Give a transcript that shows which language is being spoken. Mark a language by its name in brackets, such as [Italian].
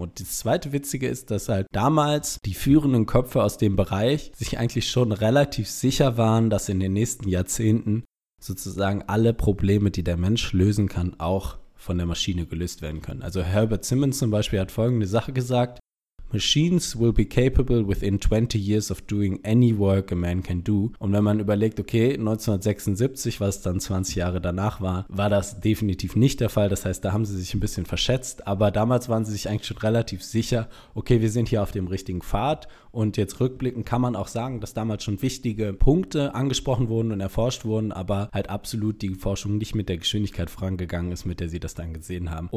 [German] Und das zweite Witzige ist, dass halt damals die führenden Köpfe aus dem Bereich sich eigentlich schon relativ sicher waren, dass in den nächsten Jahrzehnten sozusagen alle Probleme, die der Mensch lösen kann, auch von der Maschine gelöst werden können. Also Herbert Simmons zum Beispiel hat folgende Sache gesagt. [English] Machines will be capable within 20 years of doing any work a man can do. [German] Und wenn man überlegt, okay, 1976, was dann 20 Jahre danach war, war das definitiv nicht der Fall. Das heißt, da haben sie sich ein bisschen verschätzt. Aber damals waren sie sich eigentlich schon relativ sicher, okay, wir sind hier auf dem richtigen Pfad. Und jetzt rückblickend kann man auch sagen, dass damals schon wichtige Punkte angesprochen wurden und erforscht wurden, aber halt absolut die Forschung nicht mit der Geschwindigkeit vorangegangen ist, mit der sie das dann gesehen haben.